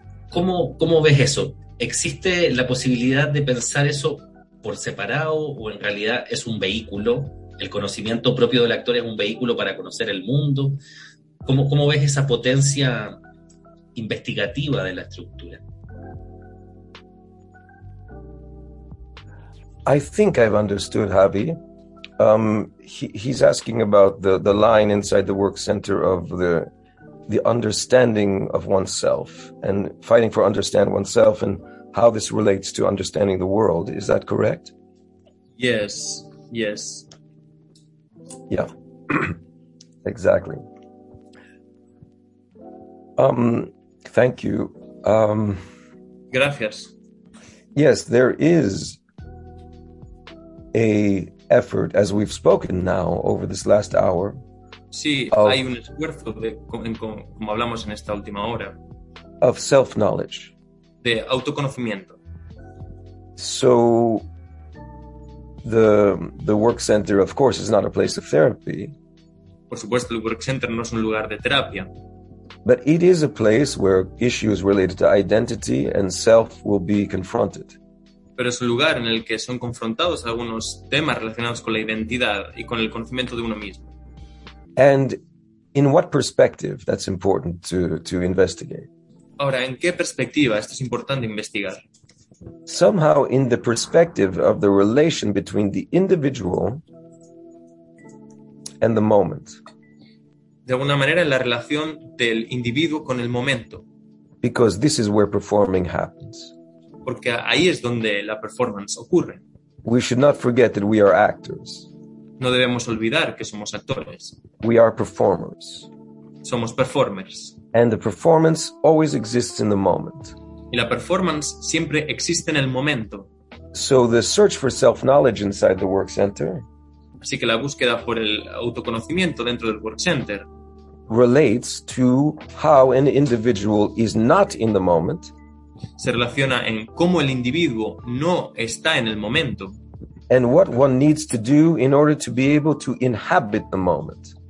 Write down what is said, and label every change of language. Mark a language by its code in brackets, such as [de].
[es] ¿Cómo ves eso? ¿Existe la posibilidad de pensar eso por separado o en realidad es un vehículo? ¿El conocimiento propio del actor es un vehículo para conocer el mundo? ¿Cómo ves esa potencia investigativa de la estructura? [en] I think I've understood Javi. He's asking about the line inside the work center of the understanding of oneself and fighting for understand oneself and how this relates to understanding the world. Is that correct? Yes, yes. Yeah, exactly. Thank you. [es] Gracias. [en] Yes, there is a effort, as we've spoken now over this last hour. [es] Sí, hay un esfuerzo como hablamos en esta última hora. [en] Of self-knowledge. [es] De autoconocimiento. [en] So the work center, of course, is not a place of therapy. [es] Por supuesto, el work center no es un lugar de terapia. [en] But it is a place where issues related to identity and self will be confronted. [es] Pero es un lugar en el que son confrontados algunos temas relacionados con la identidad y con el conocimiento de uno mismo. [en] And in what perspective? That's important to investigate. [es] Ahora, ¿en qué perspectiva? Esto es importante investigar. [en] Somehow in the perspective of the relation between the individual and the moment. [es] De alguna manera en la relación del individuo con el momento. [en] Because this is where performing happens. [es] Porque ahí es donde la performance ocurre. [en] We should not forget that we are actors. [es] No debemos olvidar que somos actores. [en] We are performers. [es] Somos performers. [en] And the performance always exists in the moment. [es] Y la performance siempre existe en el momento. [en] So the search for self-knowledge inside the work center. [es] Así que la búsqueda por el autoconocimiento dentro del work center [en] relates to how an individual is not in the moment. [es] Se relaciona en cómo el individuo no está en el momento. [en] And what one needs to do in order to be able to inhabit the moment.